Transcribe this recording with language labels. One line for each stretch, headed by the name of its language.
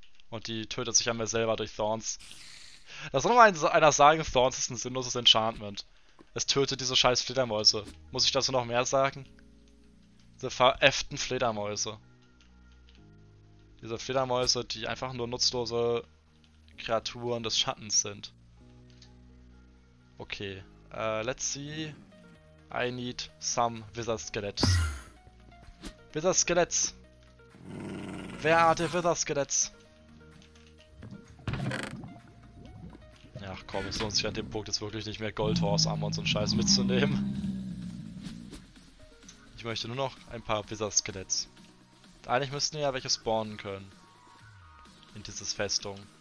German: Und die tötet sich an mir selber durch Thorns. Da soll mal einer sagen, Thorns ist ein sinnloses Enchantment. Es tötet diese scheiß Fledermäuse. Muss ich dazu noch mehr sagen? Diese veräfften Fledermäuse. Diese Fledermäuse, die einfach nur nutzlose Kreaturen des Schattens sind.
English: Okay, let's see. I need some Wither Skelets. Wither Skelets!
German: Wer hat die Wither Skelets? Ach komm, es lohnt sich an dem Punkt jetzt wirklich nicht mehr Gold Horse Armor und so einen Scheiß mitzunehmen. Ich möchte nur noch ein paar Wither Skelets. Eigentlich müssten wir ja welche spawnen können. In dieses Festung.